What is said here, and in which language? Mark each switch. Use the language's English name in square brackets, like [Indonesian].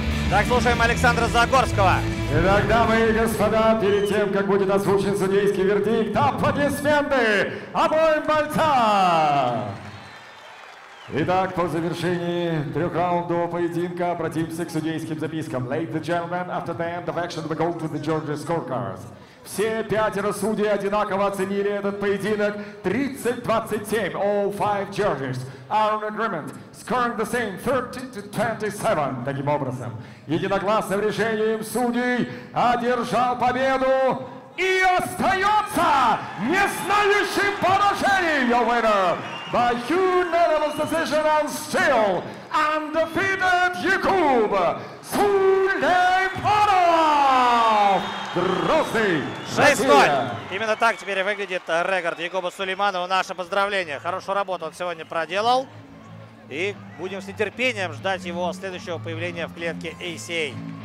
[Russian] Так, слушаем Александра Загорского. Итак, дамы и господа, перед тем, как будет озвучен судейский вердикт, аплодисменты обоим бойцам! Итак, по завершении трех раундов поединка обратимся к судейским запискам. [English] Ladies and gentlemen, after the end of action, we go to the judges' scorecards. [Russian] Все пятеро судей одинаково оценили этот поединок. [English] 30-27, all five judges are in agreement, scoring the same, 30-27. [Russian] Таким образом, единогласным решением судей одержал победу и остается незнающим поражением. [English] Your winner by unanimous decision and still undefeated, Якуб Сулейманов! [Russian] Грозный! 6-0! Именно так теперь выглядит рекорд Якуба Сулейманова. Наше поздравление. Хорошую работу он сегодня проделал. И будем с нетерпением ждать его следующего появления в клетке ACA.